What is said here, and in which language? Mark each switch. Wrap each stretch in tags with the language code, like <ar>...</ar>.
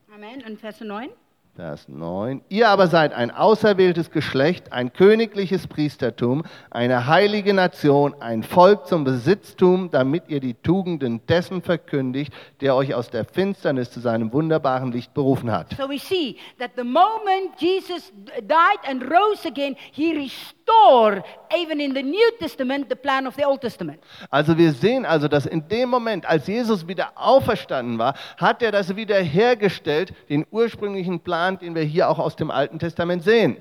<de>Amen. Und Vers 9. Vers 9. Ihr aber seid ein auserwähltes Geschlecht, ein königliches Priestertum, eine heilige Nation, ein Volk zum Besitztum, damit ihr die Tugenden dessen verkündigt, der euch aus der Finsternis zu seinem wunderbaren Licht berufen hat.</de> <en>So we see that the moment Jesus died and rose again, he restored even in the New Testament the plan of the Old Testament.</en> <de>Also wir sehen also, dass in dem Moment, als Jesus wieder auferstanden war, hat er das wiederhergestellt, den ursprünglichen Plan, den wir hier auch aus dem Alten Testament sehen.</de>